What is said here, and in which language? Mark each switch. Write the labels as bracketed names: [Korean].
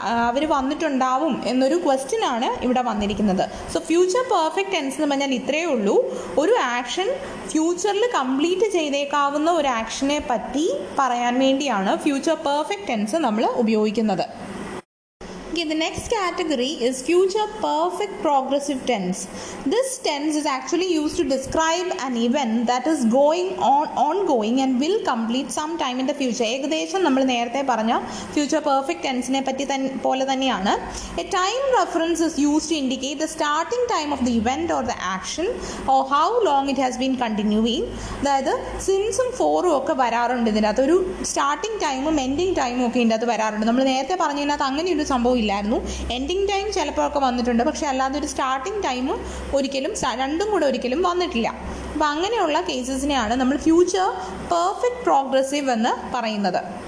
[Malayalam] അവർ വന്നിട്ടുണ്ടാവും എന്നൊരു ക്വസ്റ്റ്യൻ ആണ് ഇവിടെ വന്നിരിക്കുന്നത് സോ ഫ്യൂച്ചർ പെർഫെക്റ്റ് ടെൻസ് എന്ന് പറഞ്ഞാൽ ഇത്രയേ ഉള്ളൂ ഒരു ആക്ഷൻ ഫ്യൂച്ചറിൽ കംപ്ലീറ്റ് ചെയ്തേക്കാവുന്ന ഒരു ആക്ഷനെ പറ്റി പറയാൻ വേണ്ടിയാണ് ഫ്യൂച്ചർ പെർഫെക്റ്റ് ടെൻസ് നമ്മൾ ഉപയോഗിക്കുന്നത് [English] The next category is future perfect progressive tense. This tense is actually used to describe an event that is going on ongoing and will complete sometime in the future. [Malayalam] ഏകദേശം നമ്മൾ നേരത്തെ പറഞ്ഞ future perfect tenseനെ പറ്റി പോലെ തന്നെയാണ്. [English] A time reference is used to indicate the starting time of the event or the action or how long it has been continuing. [Malayalam] അതായത് since-ഉം for-ഉം ഒക്കെ വരാറുണ്ട് ഇതിനകത്ത് ഒരു സ്റ്റാർട്ടിംഗ് ടൈമും എൻഡിംഗ് ടൈമും ഒക്കെ ഇതിനകത്ത് വരാറുണ്ട്. നമ്മൾ നേരത്തെ പറഞ്ഞതിനകത്ത് അങ്ങനെ ഒരു സംഭവം ഇല്ലായിരുന്നു എൻഡിങ് ടൈം ചിലപ്പോഴൊക്കെ വന്നിട്ടുണ്ട് പക്ഷെ അല്ലാതെ ഒരു സ്റ്റാർട്ടിംഗ് ടൈം ഒരിക്കലും രണ്ടും കൂടെ ഒരിക്കലും വന്നിട്ടില്ല അപ്പം അങ്ങനെയുള്ള കേസസിനെയാണ് നമ്മൾ ഫ്യൂച്ചർ പെർഫെക്റ്റ് പ്രോഗ്രസീവ് എന്ന് പറയുന്നത്